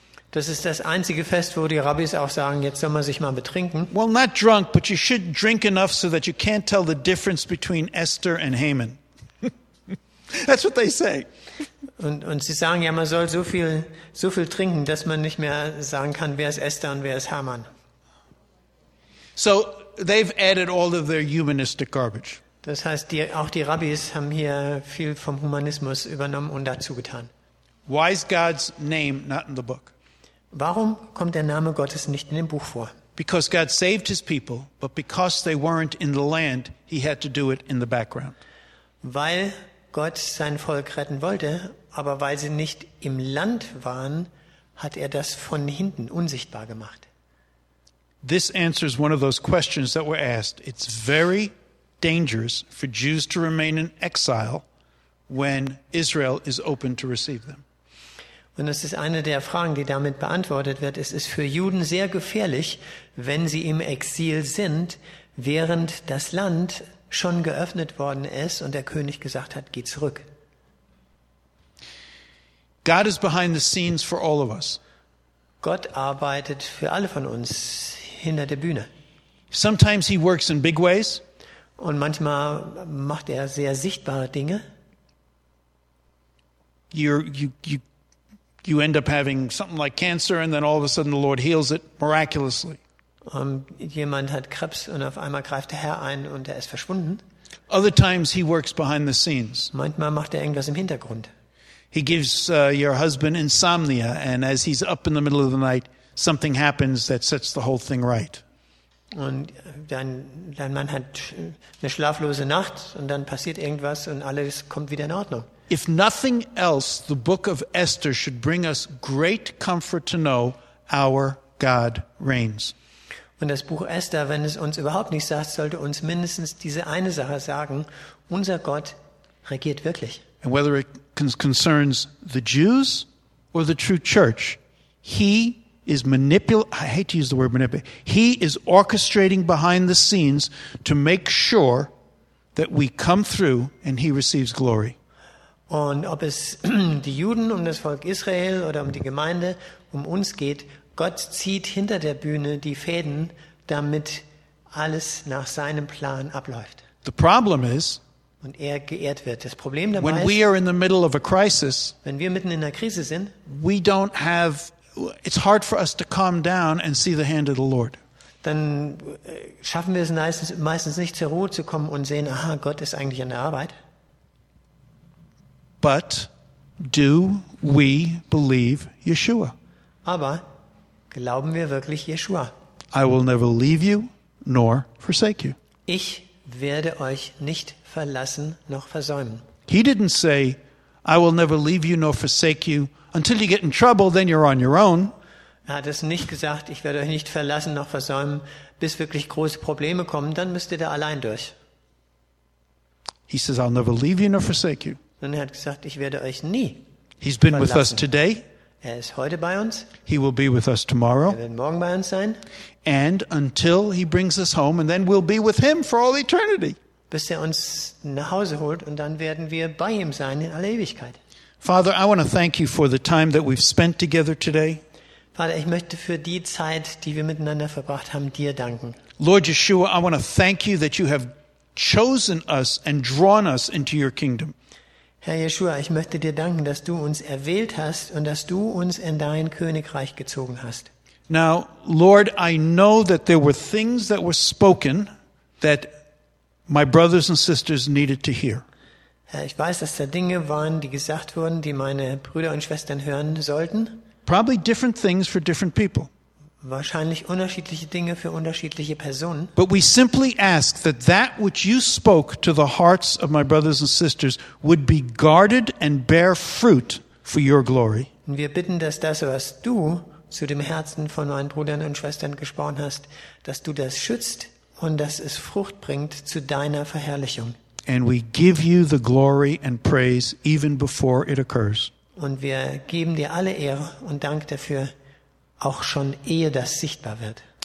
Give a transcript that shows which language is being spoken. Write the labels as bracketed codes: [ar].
[de] Das ist das einzige Fest, wo die Rabbis auch sagen, jetzt soll man sich mal betrinken. [en] Well, not drunk, but you should drink enough so that you can't tell the difference between Esther and Haman. That's what they say. [de] Und sie sagen ja, man soll so viel trinken, dass man nicht mehr sagen kann, wer ist Esther und wer ist Haman. [en] So they've added all of their humanistic garbage. [de] Das heißt, auch die Rabbis haben hier viel vom Humanismus übernommen und dazu getan. [en] Why is God's name not in the book? [de] Warum kommt der Name Gottes nicht in dem Buch vor? [en] Because God saved his people, but because they weren't in the land, he had to do it in the background. [de] Weil Gott sein Volk retten wollte, aber weil sie nicht im Land waren, hat er das von hinten unsichtbar gemacht. [en] This answers one of those questions that were asked. It's very dangerous for Jews to remain in exile when Israel is open to receive them. [de] Und das ist eine der Fragen, die damit beantwortet wird. Es ist für Juden sehr gefährlich, wenn sie im Exil sind, während das Land schon geöffnet worden ist und der König gesagt hat, geh zurück. [en] God is behind the scenes for all of us. [de] Gott arbeitet für alle von uns hinter der Bühne. [en] Sometimes he works in big ways. [de] Und manchmal macht er sehr sichtbare Dinge. [en] You end up having something like cancer, and then all of a sudden the Lord heals it miraculously. [de] Jemand hat Krebs und auf einmal greift der Herr ein und er ist verschwunden. [en] Other times he works behind the scenes. [de] Manchmal macht er irgendwas im Hintergrund. [en] He gives your husband insomnia, and as he's up in the middle of the night, something happens that sets the whole thing right. [de] Und dein Mann hat eine schlaflose Nacht und dann passiert irgendwas und alles kommt wieder in Ordnung. [en] If nothing else, the book of Esther should bring us great comfort to know our God reigns. [de] Und das Buch Esther, wenn es uns überhaupt nichts sagt, sollte uns mindestens diese eine Sache sagen: Unser Gott regiert wirklich. [en] And whether it concerns the Jews or the true church, he is I hate to use the word manipulate. He is orchestrating behind the scenes to make sure that we come through and he receives glory. [de] Und ob es die Juden, das Volk Israel oder die Gemeinde, uns geht, Gott zieht hinter der Bühne die Fäden, damit alles nach seinem Plan abläuft. [en] The problem is, [de] und geehrt wird. Das Problem dabei [en] when [de] ist, [en] we are in the middle of a crisis, [de] wenn wir mitten in einer Krise sind, [en] we don't have, it's hard for us to calm down and see the hand of the Lord. [de] Dann schaffen wir es meistens nicht, zur Ruhe zu kommen und sehen, aha, Gott ist eigentlich an der Arbeit. [en] But do we believe Yeshua? [de] Aber glauben wir wirklich Yeshua? [en] I will never leave you nor forsake you. [de] Ich werde euch nicht verlassen noch versäumen. [en] He didn't say, I will never leave you nor forsake you until you get in trouble, then you're on your own. [de] Er hat es nicht gesagt, ich werde euch nicht verlassen noch versäumen, bis wirklich große Probleme kommen, dann müsst ihr da allein durch. [en] He says, I'll never leave you nor forsake you. [de] Und er hat gesagt, ich werde euch nie [en] He's been with us today. [de] Er ist heute bei uns. [en] He will be with us tomorrow. [de] Er wird morgen bei uns sein. [en] And until he brings us home, and then we'll be with him for all eternity. [de] Bis er uns nach Hause holt und dann werden wir bei ihm sein in aller Ewigkeit. [en] Father, I want to thank you for the time that we've spent together today. [de] Vater, ich möchte für die Zeit, die wir miteinander verbracht haben, dir danken. [en] Lord Yeshua, I want to thank you that you have chosen us and drawn us into your kingdom. [de] Herr Yeshua, ich möchte dir danken, dass du uns erwählt hast und dass du uns in dein Königreich gezogen hast. [en] Now, Lord, I know that there were things that were spoken that my brothers and sisters needed to hear. [de] Herr, ich weiß, dass da Dinge waren, die gesagt wurden, die meine Brüder und Schwestern hören sollten. [en] Probably different things for different people. [de] Wahrscheinlich unterschiedliche Dinge für unterschiedliche Personen. [en] But we simply ask that that which you spoke to the hearts of my brothers and sisters would be guarded and bear fruit for your glory. [de] Und wir bitten, dass das, was du zu dem Herzen von meinen Brüdern und Schwestern gesprochen hast, dass du das schützt und dass es Frucht bringt zu deiner Verherrlichung. [en] And we give you the glory and praise even before it occurs. [de] Und wir geben dir alle Ehre und Dank dafür, auch schon ehe das sichtbar wird.